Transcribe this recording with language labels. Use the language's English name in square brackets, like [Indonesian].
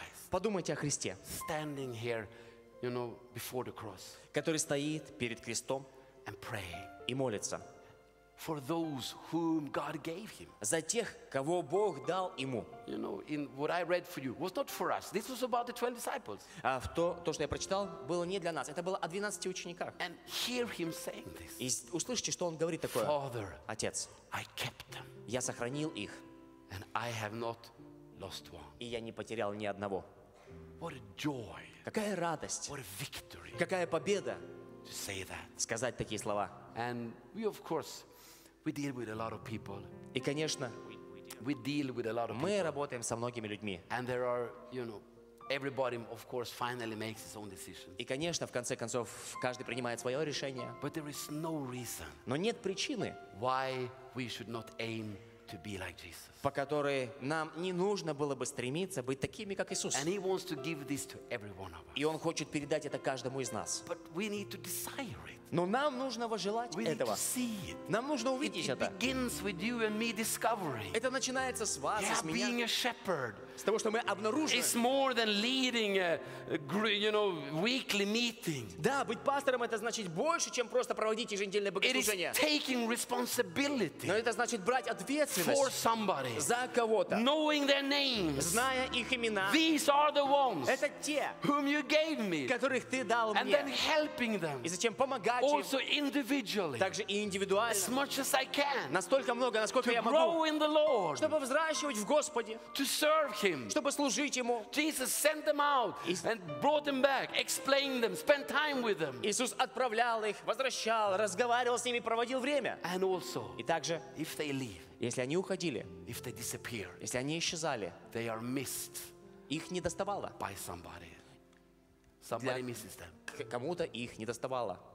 [Russian] Подумайте о Христе, который стоит перед крестом и молится. [English] For those whom God gave him. [Russian] За тех, кого Бог дал ему. [English] You know, in what I read for you was not for us. This was about the 12 disciples. [Russian] А то, что я прочитал, было не для нас. Это было о 12 учениках. [English] And hear him saying this. [Russian] И услышите, что он говорит такое. [English] Father, [Russian] отец, [English] I kept them. [Russian] Я сохранил их. [English] And I have not lost one. [Russian] И я не потерял ни одного. [English] What a joy. [Russian] Какая радость. [English] What a victory. [Russian] Какая победа. [English] To say that. [Russian] Сказать такие слова. [English] And we, of course. We deal with a lot of people. [Russian] И, конечно, [English] we deal with a lot of people. [Russian] Мы работаем со многими людьми. [English] And there are, you know, everybody, of course, finally makes his own decision. [Russian] И, конечно, в конце концов, каждый принимает свое решение. [English] But there is no reason. [Russian] Но нет причины, [English] why we should not aim to be like Jesus. [Russian] По которой нам не нужно было бы стремиться быть такими, как Иисус. [English] And he wants to give this to every one of us. [Russian] И он хочет передать это каждому из нас. [English] But we need to desire it. [Russian] Но нам нужно вожелать [English] we [Russian] этого. Нам нужно увидеть [English] it [Russian] это. [English] Begins with you and me discovering. [Russian] Это начинается с вас, [English] yeah, [Russian] с меня. [English] Being a shepherd, [Russian] с того, что мы обнаружили. [English] It's more than leading a, you know, weekly meeting. [Russian] Да, быть пастором это значит больше, чем просто проводить еженедельное богослужение. [English] It is taking responsibility. [Russian] Но это значит брать ответственность [English] for somebody, [Russian] за кого-то. [English] Knowing their names. [Russian] Зная их имена. [English] These are the ones, [Russian] это те, [English] whom you gave me, [Russian] которых ты дал [English] and [Russian] мне. [English] Then helping them. [Russian] И зачем помогать [English] also individually, [Russian] также и индивидуально, [English] as much as I can, [Russian] настолько много, насколько я могу, [English] to grow in the Lord, [Russian] чтобы взращивать в Господе, [English] to serve Him, [Russian] чтобы служить Ему. [English] Jesus sent them out and brought them back, explained them, spent time with them. [Russian] Иисус отправлял их, возвращал, разговаривал с ними, проводил время. [English] And also, [Russian] и также, [English] if they leave, [Russian] если они уходили, [English] if they disappear, [Russian] если они исчезали, [English] they are missed, [Russian] их не доставало, [English] by somebody. Somebody misses them. [Russian] Кому-то их не доставало.